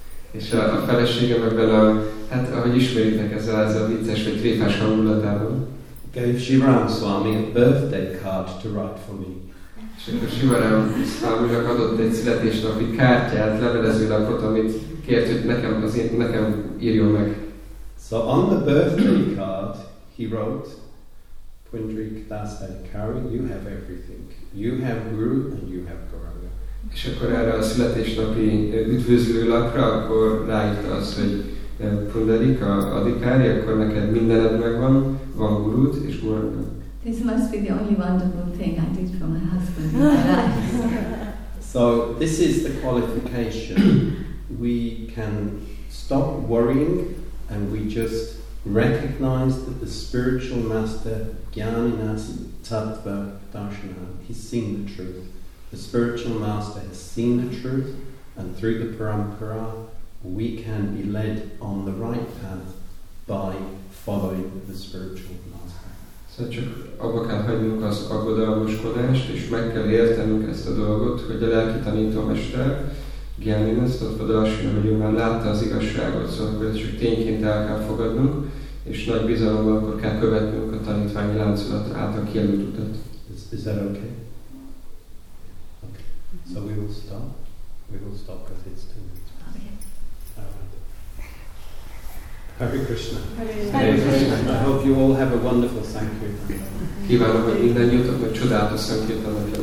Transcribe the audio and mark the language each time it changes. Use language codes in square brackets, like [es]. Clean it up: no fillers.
[hu] És a feleségem ebben a, hát ahogy ismeritek ez a vicces vagy tréfás hangulatában. [en] Gave Shivaram Swami a birthday card to write for me. [hu] És akkor Shivaram Swami-nak adott egy születésnapi kártyát, levelező lapot, amit kért, hogy nekem írjon meg. [en] So on the birthday card he wrote, Pundrik Das Adhikari, you have everything. You have guru and you have guranga. [hu] És akkor erre a születésnapi üdvözlő lapra, akkor ráírta azt, hogy Pundrik Adhikari, akkor neked mindened megvan, van gurud és guranga. [en] This must be the only wonderful thing I did for my husband. So this is the qualification. We can stop worrying and we just recognize that the spiritual master Gyaninasi Tattva Darshana, he's seen the truth. The spiritual master has seen the truth, and through the parampara we can be led on the right path by following the spiritual master. [hu] So csak abba kell hagynunk az aggodalmaskodást, és meg kell értenünk ezt a dolgot, hogy a lelki tanítómester Gyanin ezt ott fadalsina, hogy ő már látta az igazságot, szóval akkor csak tényként el kell fogadnunk, és nagy bizalommal akkor kell követnünk a tanítványi láncolat által kijelölt utat. [en] Is that okay? Okay. So we will stop. We will stop because it's too late. Hare Krishna. Hare Krishna. I hope you all have a wonderful Sankirtan. [hu] Kívánok, hogy minden jutok, hogy csodálatos Sankirtan napja.